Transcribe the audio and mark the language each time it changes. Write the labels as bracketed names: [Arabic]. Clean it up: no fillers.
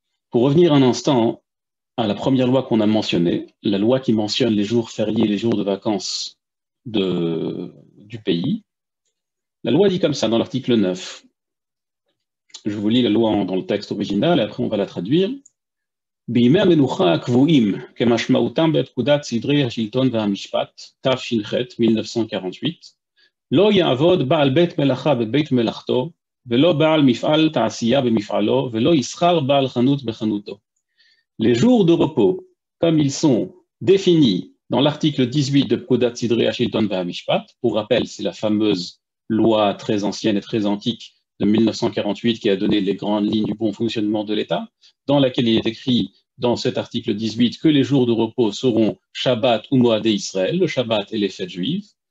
[French] Pour revenir un instant à la première loi qu'on a mentionnée, la loi qui mentionne les jours fériés, les jours de vacances du pays, la loi dit comme ça dans l'article 9. Je vous lis la loi dans le texte original et après on va la traduire. [Hebrew] בימי המנוחה הקבועים כמשמעותם בפקודת סדרי השלטון והמשפט, תש"ח, 1948, לא יעבוד בעל בית מלאכה בבית מלאכתו, ולא בעל מפעל תעשייה במפעלו, ולא ישכר בעל חנות בחנותו. [French] Les jours de repos, comme ils sont définis dans l'article 18 de פקודת סדרי השלטון והמשפט, pour rappel, c'est la fameuse loi très ancienne et très antique de 1948 qui a donné les grandes lignes du bon fonctionnement de l'État, dans laquelle il est écrit dans cet article 18 que les jours de repos seront Shabbat ou Moadé Israël, le Shabbat et les fêtes juives.